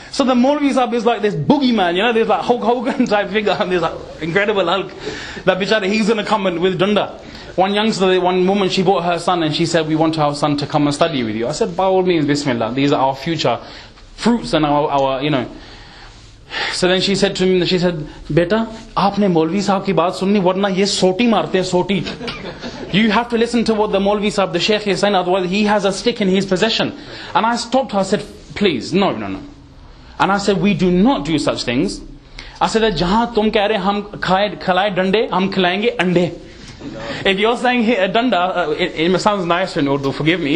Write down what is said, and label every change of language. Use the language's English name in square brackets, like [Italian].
[English] So the maulvi sahab is like this boogeyman, you know, this like Hulk Hogan type figure, and this like incredible Hulk. That bichara, he's going to come in with dunda. One youngster, one woman, she brought her son and she said, we want our son to come and study with you. I said, by all means, bismillah, these are our future fruits and our you know. [Urdu] So then she said to me, she said, بیٹا، آپنے مولوی صاحب کی بات سنی، ورنہ یہ سوٹی مارتے ہے، سوٹی. [English] You have to listen to what the maulvi sahab, the sheikh is saying, otherwise he has a stick in his possession. And I stopped her, I said, please, no, no, no. And I said, we do not do such things. I said, jahan tum keh rahe hum khaye khalaye dande, hum khilayenge ande. If you're saying hit a danda, it sounds nicer in Urdu, forgive me.